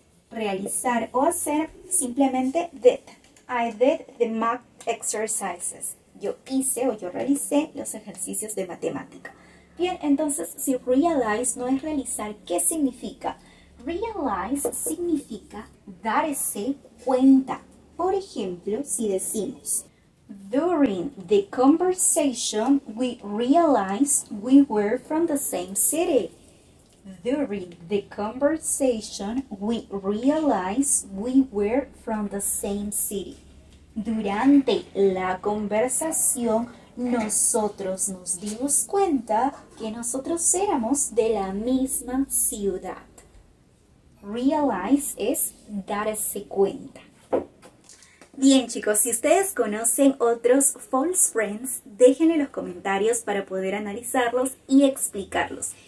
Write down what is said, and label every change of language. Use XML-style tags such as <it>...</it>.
<es>Realizar o hacer simplemente</es> <en>did. I did the math exercises.</en> <es>Yo hice o yo realicé los ejercicios de matemática. Bien, entonces si realize no es realizar, ¿qué significa? Realize significa darse cuenta. Por ejemplo, si decimos</es> <en>During the conversation, we realized we were from the same city. During the conversation, we realized we were from the same city.</en> <es>Durante la conversación, nosotros nos dimos cuenta que nosotros éramos de la misma ciudad. Realize es darse cuenta. Bien chicos, si ustedes conocen otros false friends, déjenle los comentarios para poder analizarlos y explicarlos.</es>